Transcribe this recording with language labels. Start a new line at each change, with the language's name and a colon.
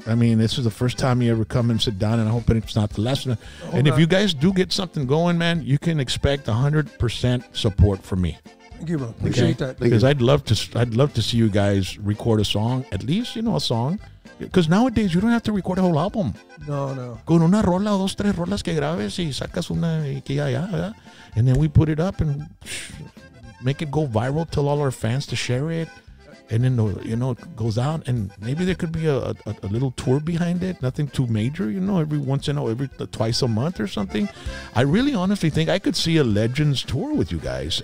English: I mean, this is the first time you ever come and sit down, and I hope it's not the last one. Oh, and if you guys do get something going, man, you can expect 100% support from me. Thank you, bro. Appreciate that. Because I'd love to see you guys record a song, at least, you know, a song. Because nowadays, you don't have to record a whole album. No.
Spanish: Con una rola o dos, tres rolas que grabes y sacas una y que ya, ¿verdad?
English: And then we put it up and make it go viral, tell all our fans to share it. And then, you know, it goes out. And maybe there could be a little tour behind it. Nothing too major, you know, every once in a while, every twice a month or something. I really honestly think I could see a Legends tour with you guys.